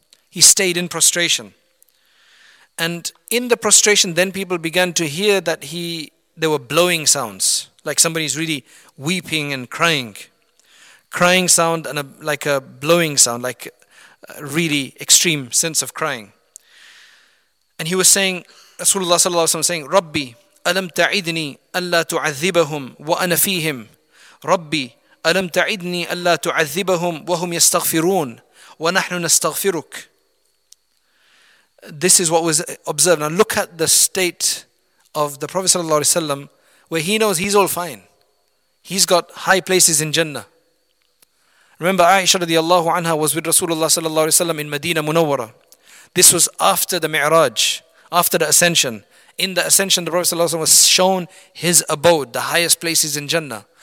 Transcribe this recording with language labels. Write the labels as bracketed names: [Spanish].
[English] He stayed in prostration, and in the prostration then people began to hear that there were blowing sounds, like somebody's really weeping and crying sound, and like a blowing sound, like a really extreme sense of crying. And he was saying, Rasulullah sallallahu alaihi wasallam saying, Rabbi [Arabic] أَلَمْ تَعِدْنِي أَلَّا تُعَذِّبَهُمْ وَأَنَا فِيهِمْ رَبِّي أَلَمْ تَعِدْنِي أَلَّا تُعَذِّبَهُمْ وَهُمْ يَسْتَغْفِرُونَ وَنَحْنُ نَسْتَغْفِرُكَ. [English] This is what was observed. Now look at the state of the Prophet sallallahu alaihi wasallam, where he knows he's all fine. He's got high places in Jannah. Remember, Aisha radiallahu anha was with Rasulullah sallallahu alaihi wasallam in Medina Munawwara. This was after the Mi'raj, after the ascension. In the ascension, the Prophet ﷺ was shown his abode, the highest places in Jannah.